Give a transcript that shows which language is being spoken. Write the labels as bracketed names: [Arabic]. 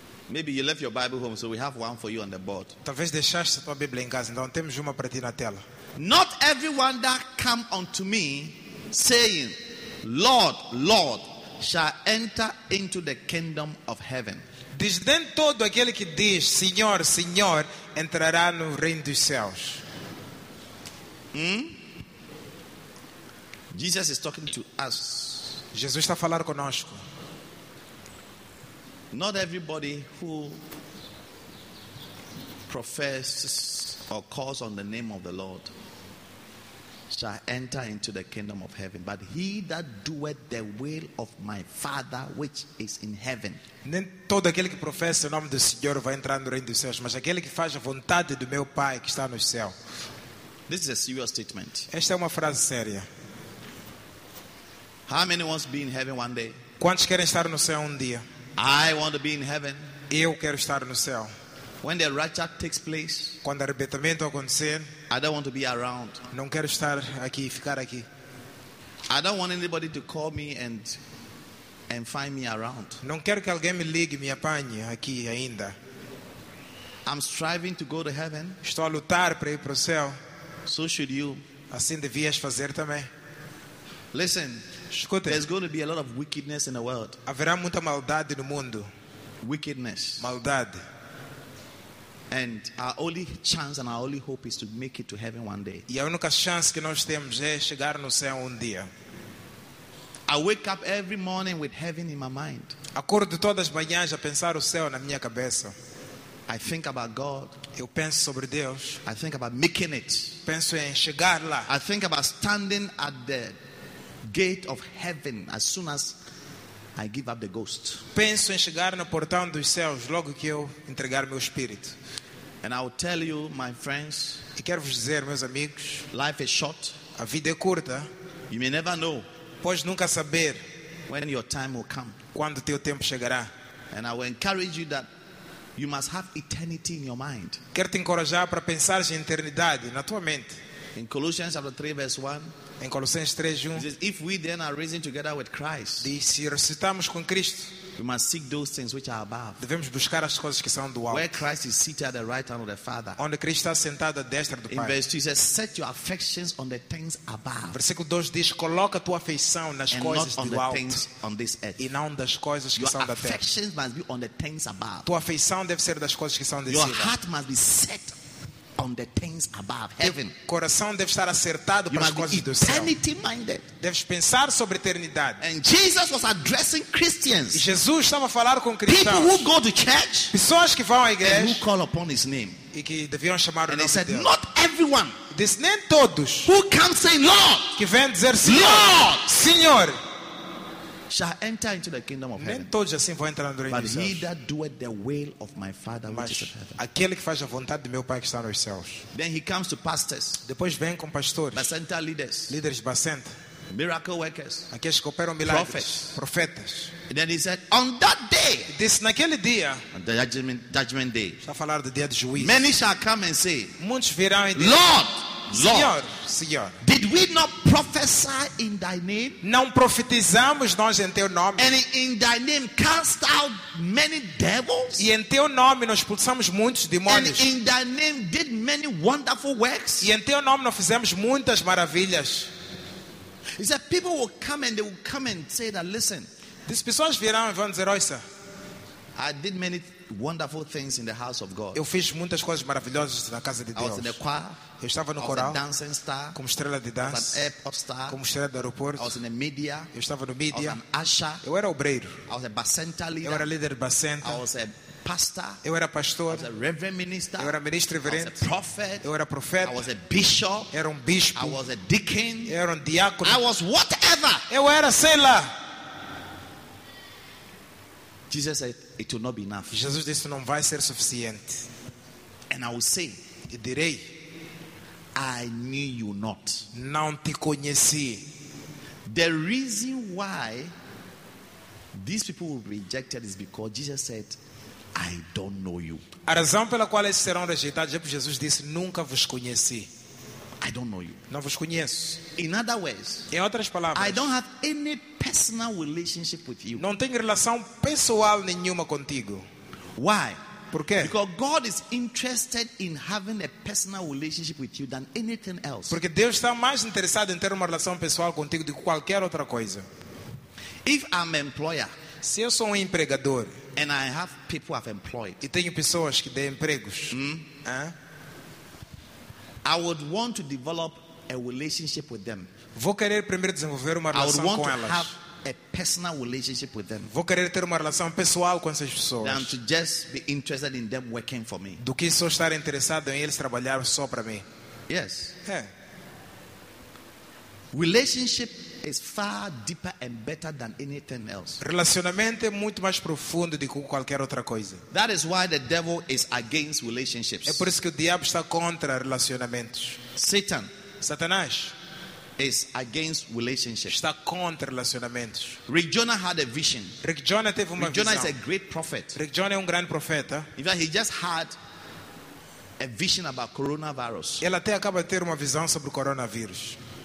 [English] Maybe you left your Bible home, so we have one for you on the board. [Portuguese] Talvez deixaste tua Bíblia em casa, então temos uma para ti na tela. [English] Not everyone that come unto me, saying, Lord, Lord, shall enter into the kingdom of heaven. [Portuguese] Diz nem todo aquele que diz, Senhor, Senhor, entrará no reino dos céus. [English] Jesus is talking to us. [Portuguese] Jesus está a falar conosco. [English] Not everybody who professes or calls on the name of the Lord shall enter into the kingdom of heaven, but he that doeth the will of my Father which is in heaven. [Portuguese] Nem todo aquele que professa o nome do Senhor vai entrar no reino dos céus, mas aquele que faz a vontade do meu Pai que está no céu. [English] This is a serious statement. [Portuguese] Esta é uma frase séria. [English] How many wants to be in heaven one day? [Portuguese] Quantos querem estar no céu um dia? [English] I want to be in heaven. [Portuguese] Eu quero estar no céu. [English] When the rapture takes place, [Portuguese] quando o arrebatamento acontecer, [English] I don't want to be around. [Portuguese] Não quero estar aqui, ficar aqui. [English] I don't want anybody to call me and find me around. [Portuguese] Não quero que alguém me ligue, me apanhe aqui ainda. [English] I'm striving to go to heaven. [Portuguese] Estou a lutar para ir para o céu. [English] So should you. [Portuguese] Assim devias fazer também. [English] Listen. [Portuguese] Escute. [English] There's going to be a lot of wickedness in the world. [Portuguese] Haverá muita maldade no mundo. [English] Wickedness. [Portuguese] Maldade. [English] And our only chance and our only hope is to make it to heaven one day. [Portuguese] E a única chance que nós temos é chegar no céu um dia. [English] I wake up every morning with heaven in my mind. [Portuguese] Acordo todas as manhãs a pensar o céu na minha cabeça. [English] I think about God. [Portuguese] Eu penso sobre Deus. [English] I think about making it. [Portuguese] Penso em chegar lá. [English] I think about standing at the gate of heaven as soon as I give up the ghost. [Portuguese] Penso em chegar no portão dos céus logo que eu entregar meu espírito. [English] And I will tell you, my friends, [Portuguese] e quero vos dizer, meus amigos, [English] life is short. [Portuguese] A vida é curta. [English] You may never know. [Portuguese] Pois nunca saber [English] when your time will come. [Portuguese] Quando teu tempo chegará. [English] And I will encourage you that you must have eternity in your mind. [Portuguese] Quero te encorajar para pensar em eternidade na tua mente. [English] In Colossians chapter 3 verse 1. [Portuguese] Em Colossenses 3:1, diz: [English] If we then are risen together with Christ, [Portuguese] se ressuscitamos com Cristo, [English] we must seek those things which are above. [Portuguese] Devemos buscar as coisas que são do alto. [English] Where Christ is seated at the right hand of the Father. [Portuguese] Onde Cristo está sentado à destra do [English] In [Portuguese] Pai. [English] Verse 2, says, Set your affections on the things above. [Portuguese] Versículo 2 diz: Coloca tua afeição nas [English] and [Portuguese] coisas [English] not on [Portuguese] do [English] the [Portuguese] alto. [English] Things on this earth. [Portuguese] E não das coisas que [English] your [Portuguese] são da terra. [English] Your affections must be on the things above. [Portuguese] Tua afeição deve ser das coisas que são de cima. [English] Your heart must be set on the things above heaven. [Portuguese] O coração deve estar acertado para as coisas do céu. [English] Eternity minded. [Portuguese] Deves pensar sobre eternidade. [English] And Jesus was addressing Christians. [Portuguese] E Jesus estava a falar com cristãos. [English] People who go to church. [Portuguese] Pessoas que vão à igreja. [English] And who call upon his name. [Portuguese] E que deviam chamar o nome dele. [English] And he said, not everyone. [Portuguese] Diz, nem todos. [English] Who can say Lord? [Portuguese] Que vem dizer Senhor. [English] Lord. [Portuguese] Senhor. [English] shall enter into the kingdom of heaven. [Portuguese] Nem todos assim vão entrar no reino [English] But he that doeth the will of my Father which is in heaven. [Portuguese] Aquele que faz a vontade do meu Pai que está nos céus. [English] Then he comes to pastors. [Portuguese] Depois vem com pastores. [English] Bacenta leaders. [Portuguese] Líderes bacenta. [English] Miracle workers. [Portuguese] Aqueles que operam milagres. [English] Prophets. [Portuguese] Profetas. [English] And then he said, on that day. [Portuguese] Diz naquele dia. [English] On the judgment day. [Portuguese] Está a falar do dia de juízo. [English] Many shall come and say. [Portuguese] Muitos virão e dizem. [English] Lord. Lord, [Portuguese] Senhor, Senhor, [English] did we not prophesy in thy name? [Portuguese] Não profetizamos nós em teu nome? [English] And in thy name cast out many devils? [Portuguese] E em teu nome nós expulsamos muitos demônios? [English] And in thy name did many wonderful works? [Portuguese] E em teu nome nós fizemos muitas maravilhas? [English] He said, people will come and they will come and say that, listen. [Portuguese] As pessoas virão e vão dizer, ouça. [English] I did many wonderful things in the house of God. [Portuguese] Eu fiz muitas coisas maravilhosas na casa de Deus. [English] I was in the choir. [Portuguese] Eu estava no coral, [English] dancing star, [Portuguese] como estrela de dança, [English] an airport star, [Portuguese] como estrela de aeroporto. [English] I was in the media, [Portuguese] eu estava no media. [English] I was an usher, [Portuguese] eu era obreiro. [English] I was a bacenta leader, [Portuguese] eu era líder de bacenta. [English] I was a pastor, [Portuguese] eu era pastor. [English] I was a reverend minister, [Portuguese] eu era ministro reverente. [English] I was a prophet, [Portuguese] eu era profeta. [English] I was a bishop, [Portuguese] eu era bispo. [English] I was a deacon, [Portuguese] eu era diácono. [English] I was whatever, [Portuguese] eu era sei lá. [English] Jesus said, "It will not be enough." [Portuguese] Jesus disse, não vai ser suficiente. [English] And I will say, [Portuguese] e direi, [English] I knew you not. [Portuguese] Não te conheci. [English] The reason why these people will be rejected is because Jesus said, I don't know you. [Portuguese] A razão pela qual eles serão rejeitados é porque Jesus disse, nunca vos conheci. [English] I don't know you. [Portuguese] Não vos conheço. [English] In other words, [Portuguese] em outras palavras, [English] I don't have any personal relationship with you. [Portuguese] Não tenho relação pessoal nenhuma contigo. [English] Why? [Portuguese] Porque? [English] Because God is interested in having a personal relationship with you than anything else. [Portuguese] Porque Deus está mais interessado em ter uma relação pessoal contigo do que qualquer outra coisa. [English] If I'm an employer, [Portuguese] se eu sou empregador, [English] and I have people I've employed, [Portuguese] e tenho pessoas que dão empregos, [English] I would want to develop a relationship with them. [Portuguese] Vou querer primeiro desenvolver uma relação com elas. [English] I would want to have a personal relationship with them. [Portuguese] Vou querer ter uma relação pessoal com essas pessoas. [English] Than to just be interested in them working for me. [Portuguese] Do que só estar interessado em eles trabalhar só para mim. [English] Yes. [Portuguese] É. [English] Relationship is far deeper and better than anything else. [Portuguese] Relacionamento é muito mais profundo do que qualquer outra coisa. [English] That is why the devil is against relationships. [Portuguese] É por isso que o diabo está contra relacionamentos. [English] Satan. [Portuguese] Satanás. [English] Is against relationships. [Portuguese] Está contra relacionamentos. [English] Rick Jonah had a vision. [Portuguese] Rick Jonah teve uma [English] Rick Jonah [Portuguese] visão. [English] Is a great prophet. [Portuguese] Rick Jonah é grande profeta. [English] In fact, he just had a vision about coronavirus. [Portuguese] Ele até acaba de ter uma visão sobre o coronavírus.